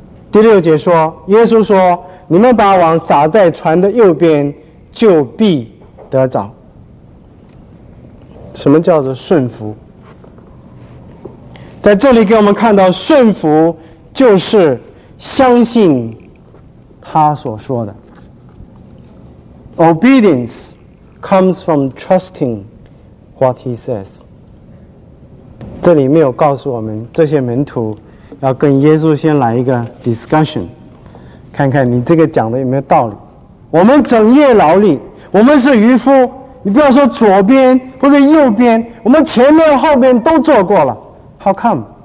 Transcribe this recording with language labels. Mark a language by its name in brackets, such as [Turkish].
[Chinese] 第六节说，耶稣说，你们把网撒在船的右边，就必得着。什么叫做顺服？在这里给我们看到，顺服就是相信他所说的。 [English] Obedience comes from trusting what he says。 [Chinese] 这里没有告诉我们这些门徒要跟耶稣先来一个 discussion， 看看你这个讲的有没有道理。我们整夜劳力，我们是渔夫，你不要说左边或者右边，我们前面后边都做过了， [English] How come？